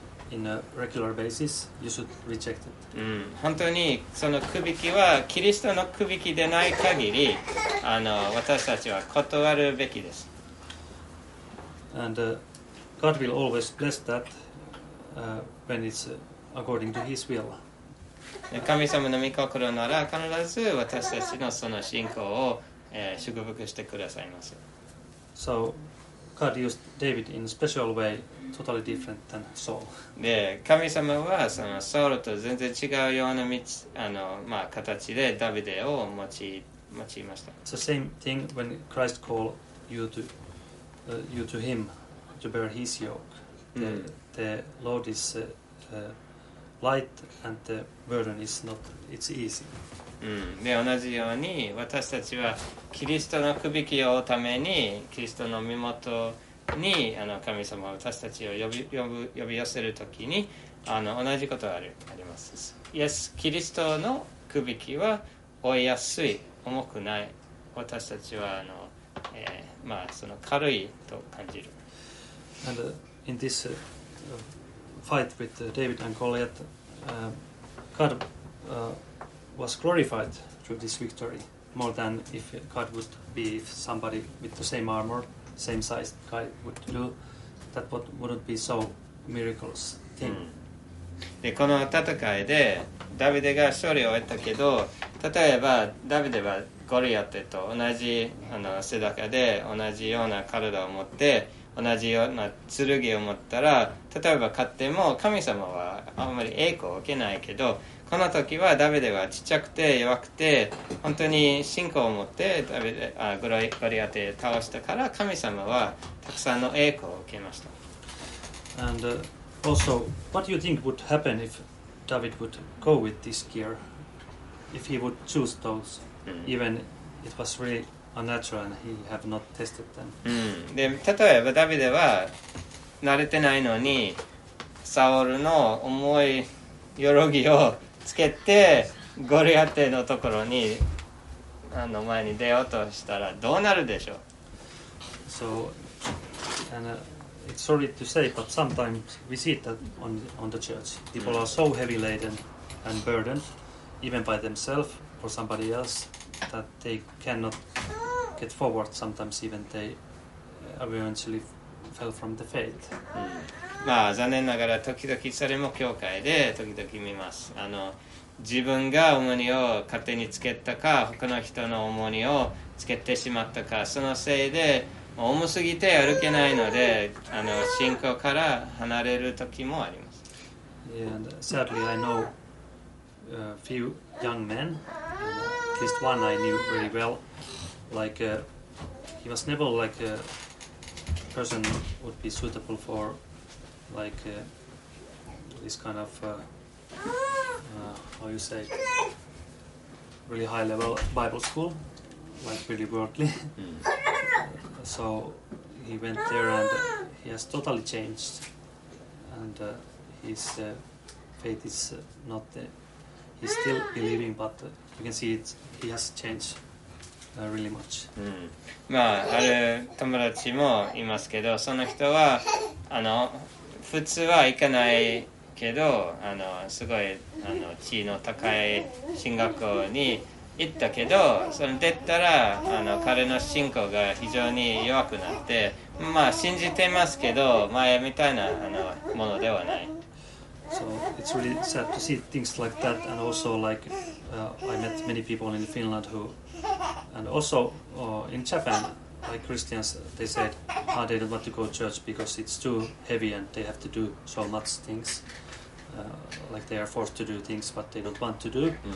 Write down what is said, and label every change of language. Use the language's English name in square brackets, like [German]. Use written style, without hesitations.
[English] in a regular basis, you should reject it. [Japanese] 本当にそのくびきはキリストのくびきでない限り、あの私たちは断るべきです。 [English] And God will always bless that when it's according to His will. [Japanese] 神様の御心なら必ず私たちのその信仰を祝福してくださいます。 [English] So God used David in a special way, totally different than Saul. [Japanese] で、神様はそのサウルと全然違うような道、あの、まあ、形でダビデを用いました。 [English] It's the same thing when Christ called you to, you to him to bear his yoke. The load is light and the burden is not, it's easy. [Japanese] で同じように私たちはキリストの首輝きを追うためにキリストの身元にあの神様は私たちを呼び寄せるときにあの同じことがあります。イエス・キリストの首輝きは追いやすい、重くない、私たちはあの、まあ、その軽いと感じる。 [English] And in this fight with David and Goliath God was glorified through this victory more than if God would be if somebody with the same armor, same size guy would do that wouldn't be so miracles thing. [Japanese] で、この戦いでダビデが勝利を得たけど、例えばダビデはゴリアテと同じあの背中で同じような体を持って同じような剣を持ったら、例えば勝っても神様はあんまり栄光を受けないけど、この時はダビデはちっちゃくて弱くて本当に信仰を持ってダビデあゴリアテを倒したから、神様はたくさんの栄光を受けました。 [English] And also what do you think would happen if David would go with this gear if he would choose those even it was really unnatural and he have not tested them、 [Japanese] で例えばダビデは慣れてないのにサウルの重い鎧をつけてゴリアテのところにあの前に出ようとしたらどうなるでしょう。 [English] So and, it's sorry to say but sometimes we see that on the church people are so heavy laden and burdened even by themselves or somebody else that they cannot get forward sometimes even they eventually fell from the faith、 [Japanese] まあ、残念ながら時々それも教会で時々見ます。あの自分が重荷を勝手につけたか他の人の重荷をつけてしまったか、そのせいで重すぎて歩けないのであの信仰から離れる時もあります。 [English] Yeah, and sadly I know few young men at least one I knew really well like he was never like a person would be suitable forLike this kind of, how you say, really high level Bible school, like really worldly. So he went there and he has totally changed. And his faith is not, he's still believing, but you can see he has changed. Really much. [Japanese] まあある友達もいますけど、その人はあの普通は行かないけど、あのすごいあの地位の高い進学校に行ったけど、その出たらあの彼の信仰が非常に弱くなって、まあ信じてますけど前みたいなあのものではない。 [English] So it's really sad to see things like that and also like、I met many people in Finland whoAnd also in Japan, like Christians, they said, oh, they don't want to go to church because it's too heavy and they have to do so much things, like they are forced to do things what they don't want to do.